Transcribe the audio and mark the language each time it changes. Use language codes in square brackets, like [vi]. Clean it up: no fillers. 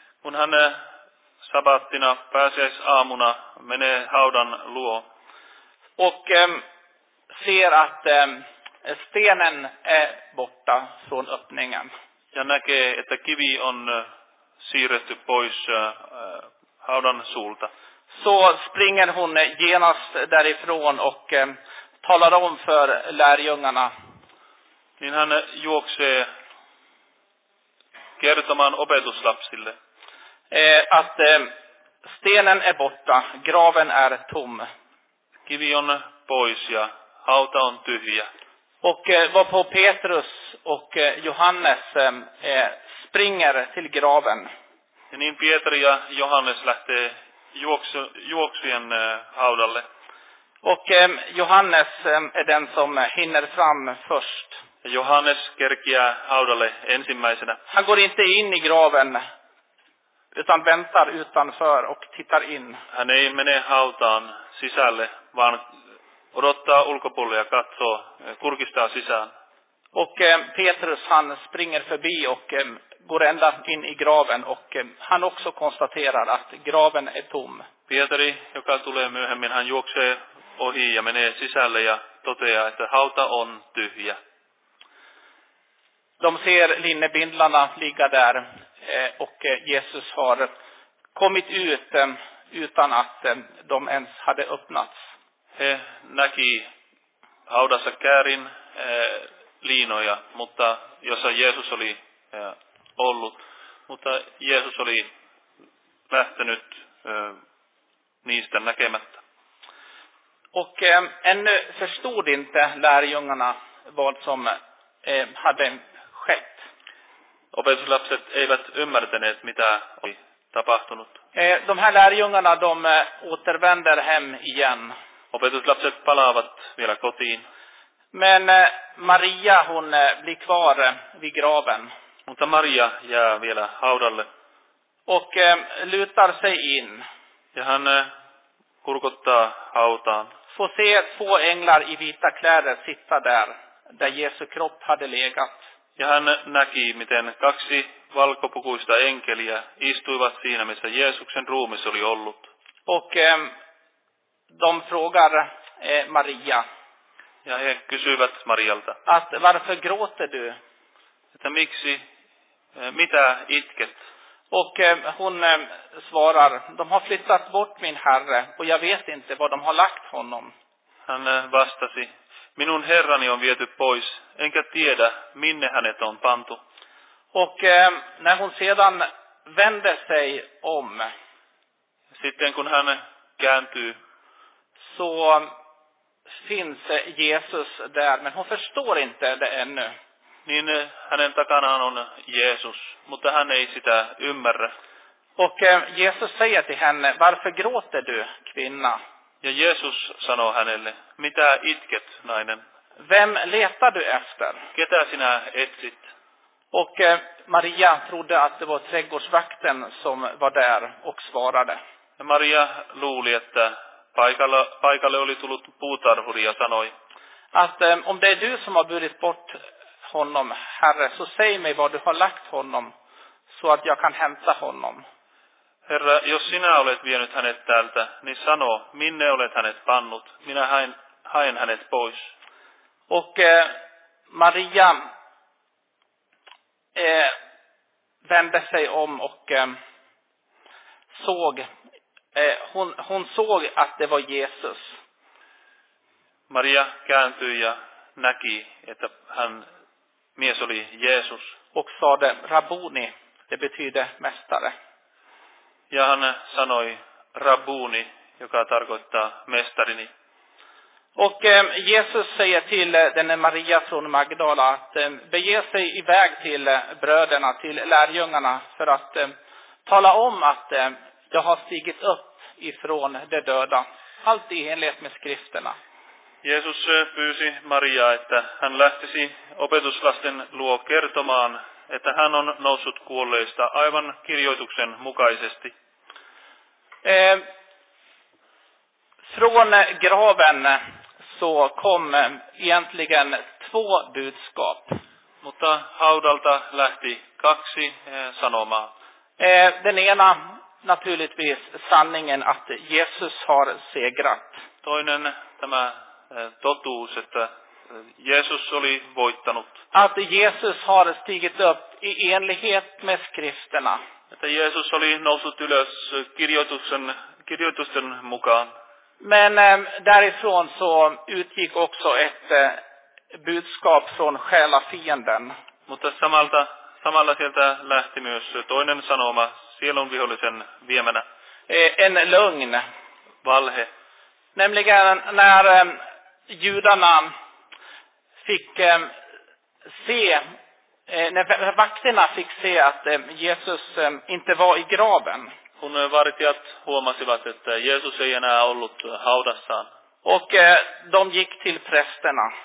[fi] Kun hän sabattina pääsiäisaamuna menee haudan luo. [sv] Och ser att stenen är borta från öppningen. [fi] Ja näkee, että kivi on siirretty pois haudan suulta. [sv] Så springer hon genast därifrån och talar om för lärjungarna. [fi] Niin hän juoksee kertomaan opetuslapsille. [sv] Att stenen är borta, graven är tom. [fi] Kivi on pois ja hauta on tyhjä. [sv] Och var på Petrus och Johannes springer till graven. [fi] Ja niin Pietari ja Johannes lähtee juoksien haudalle. [sv] Och Johannes är den som hinner fram först. [fi] Johannes kerkiää haudalle ensimmäisenä. [sv] Han går inte in i graven. Utan väntar utanför och tittar in. [fi] Han ei mene hautaan sisälle, vaan odottaa ulkopuolelle ja katsoo, kurkistaa sisään. [sv] Och Petrus han springer förbi och går ända in i graven och han också konstaterar att graven är tom. [fi] Pietari, joka tulee myöhemmin, hän juoksee ohi ja menee sisälle ja toteaa, että hauta on tyhjä. [sv] De ser linnebindlarna ligga där. Och Jesus har kommit ut utan att de ens hade öppnats. [fi] He näki haudassa käärin liinoja, mutta jossa Jeesus oli ollut, mutta Jeesus oli lähtenyt niistä näkemättä. [sv] Och ännu förstod inte lärjungarna vad som hade skett. [fi] Opetuslapset eivät ymmärtäneet, mitä oli tapahtunut. [sv] De här lärjungarna, de återvänder hem igen. [fi] Opetuslapset palaavat vielä kotiin. [sv] Men Maria, hon blir kvar vid graven. [fi] Mutta Maria jää vielä haudalle. [sv] Och lutar sig in. [fi] Ja hän kurkottaa hautaan. [sv] Får se två änglar i vita kläder sitta där Jesu kropp hade legat. [fi] Ja hän näki, miten kaksi valkopukuista enkeliä istuivat siinä, missä Jeesuksen ruumis oli ollut. [sv] Och de frågar Maria. [fi] Ja he kysyivät Marialta. [sv] Att varför gråter du? [fi] Että miksi, mitä itket? [sv] Och hon svarar, de har flyttat bort min herre och jag vet inte var de har lagt honom. [fi] Hän vastasi, Minun herrani on viety pois, enkä tiedä, minne hänet on pantu. [sv] Och när hon sedan vände sig om. [fi] Sitten kun hän kääntyy. [sv] Så finns Jesus där, men hon förstår inte det ännu. [fi] Niin hänen takanaan on Jeesus, mutta hän ei sitä ymmärrä. [sv] Och Jesus säger till henne, varför gråter du, kvinna? [fi] Ja Jeesus sanoo hänelle, mitä itket, nainen? [sv] Vem letar du efter? [fi] Ketä sinä etsit? [sv] Och Maria trodde att det var trädgårdsvakten som var där och svarade. [fi] Ja Maria luuli, että paikalle oli tullut puutarhuri ja sanoi. [sv] Att om det är du som har burit bort honom, herre, så säg mig var du har lagt honom, så att jag kan hämta honom. [fi] Herra, jos sinä olet vienyt hänet täältä, niin sano, minne olet hänet pannut. Minä haen hänet pois. [sv] Och Maria vände sig om och såg. Hon såg att det var Jesus. [fi] Maria kääntyi ja näki, että hän mies oli Jeesus. [sv] Och sade, Rabuni, det betyder mästare. [fi] Ja hän sanoi rabuni, joka tarkoittaa mestarini. [sv] Och Jesus säger till denne Maria från Magdala att bege sig iväg till bröderna, till lärjungarna för att tala om att jag har stigit upp ifrån de döda. Allt i enlighet med skrifterna. [fi] Jesus pyysi Maria, että hän lähtisi opetuslasten luo kertomaan, että hän on noussut kuolleista aivan kirjoituksen mukaisesti. [sv] Från graven så kom egentligen två budskap. [fi] Mutta haudalta lähti kaksi sanomaa. [sv] Den ena naturligtvis sanningen att Jesus har segrat. [fi] Toinen tämä totuus, että Jeesus oli voittanut. [sv] Att Jesus har stigit upp i enlighet med skrifterna. [fi] Että Jeesus oli noussut ylös kirjoitusten mukaan. [sv] Men därifrån så utgick också ett budskap från själafienden. [fi] Mutta samalla sieltä lähti myös toinen sanoma sielunvihollisen viemänä. [sv] En lögn. [fi] Valhe. [sv] Nämligen när judarna fick se, när vakterna fick se att Jesus inte var i graven. [fi] Kun vartijat huomasivat, että Jeesus ei enää ollut haudassaan. [sv] Och de gick till prästerna.